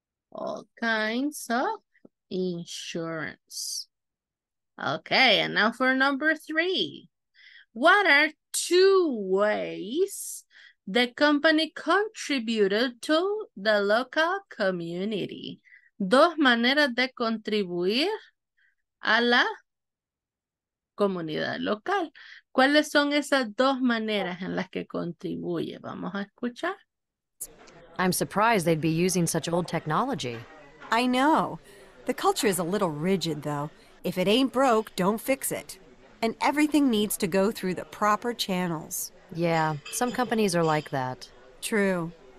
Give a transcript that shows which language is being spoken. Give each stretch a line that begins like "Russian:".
English: All kinds of insurance. Okay, and now for number three. What are two ways the company contributed to the local community?
Spanish: Dos maneras de contribuir a la comunidad local. ¿Cuáles son esas dos maneras en las que contribuye? Vamos a escuchar.
English: I'm surprised they'd be using such old technology. I know. The culture is a little rigid, though. If it ain't broke, don't fix it. And everything needs to go through the proper channels. Yeah, some companies are like that. True.